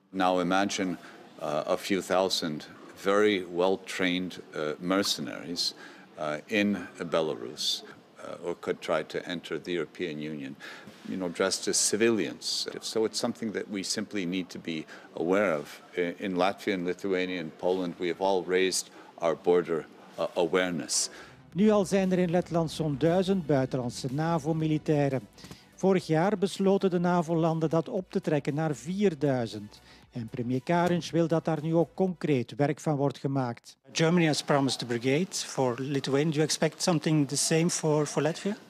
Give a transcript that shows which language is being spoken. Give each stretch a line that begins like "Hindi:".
English: Now imagine a few thousand very well-trained mercenaries in Belarus or could try to enter the European Union, you know, dressed as civilians. So it's something that we simply need to be aware of. In Latvia and Lithuania and Poland, we have all raised our border awareness.
Dutch: Nu al zijn er in Letland zo'n 1000 buitenlandse NAVO-militairen. Vorig jaar besloten de NAVO-landen dat op te trekken naar 4000. En premier Kariņš wil dat daar nu ook concreet werk van wordt gemaakt.
English: Germany has promised a brigade for Lithuania. Do you expect something the same for Latvia?